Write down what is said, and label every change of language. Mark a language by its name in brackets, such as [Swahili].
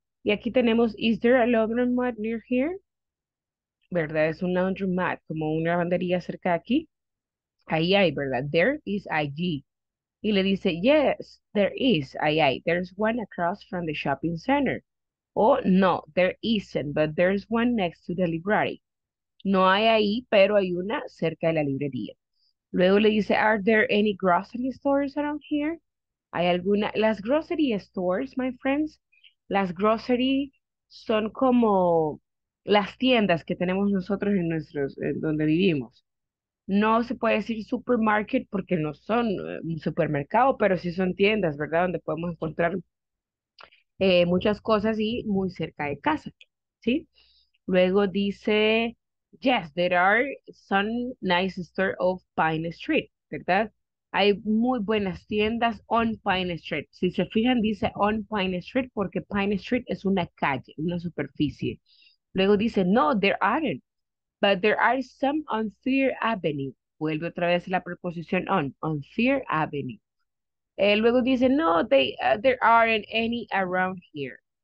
[Spanish] Y aquí tenemos, [English] is there a laundromat near here? [Spanish] ¿Verdad? Es un laundromat, como una lavandería cerca de aquí. Ahí hay, ¿verdad? [English] There is [Spanish] allí. Y le dice, [English] yes, there is, [Spanish] ahí hay. [English] There's one across from the shopping center. [Spanish] O no, [English] there isn't, but there's one next to the library. [Spanish] No hay ahí, pero hay una cerca de la librería. Luego le dice, [English] are there any grocery stores around here? [Spanish] Hay alguna, las grocery stores, [English] my friends, [Spanish] las grocery son como las tiendas que tenemos nosotros en nuestros, en donde vivimos. No se puede decir supermarket porque no son un supermercado, pero sí son tiendas, ¿verdad? Donde podemos encontrar muchas cosas y muy cerca de casa, ¿sí? Luego dice, [English] yes, there are some nice stores of Pine Street, [Spanish] ¿verdad? Hay muy buenas tiendas [English] on Pine Street. [Spanish] Si se fijan, dice on Pine Street porque Pine Street es una calle, una superficie. Luego dice, [English] no, there aren't. But there are some on Third Avenue. [Spanish] Vuelve otra vez la preposición [English] on Third Avenue. [Spanish] Luego dice, [English] no, there aren't any around here.